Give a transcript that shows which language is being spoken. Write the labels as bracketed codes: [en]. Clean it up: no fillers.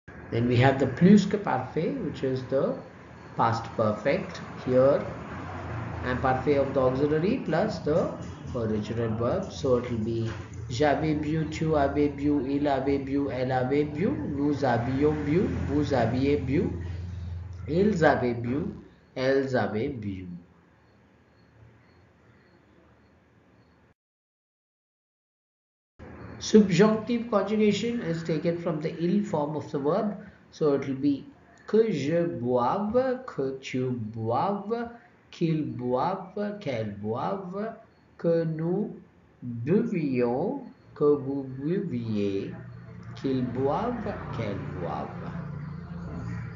[en] Then we have the plus que parfait, which is the past perfect. Here, imparfait of the auxiliary plus the original verb. So it will be [fr] j'avais bu, tu avais bu, il avait bu, elle avait bu, nous avions bu, vous aviez bu, ils avaient bu. Elles avaient bu. [en] Subjunctive conjugation is taken from the il form of the verb. So it will be [fr] que je boive, que tu boive, qu'il boive, qu'elle boive, que nous buvions, que vous buviez, qu'il boive, qu'elle boive.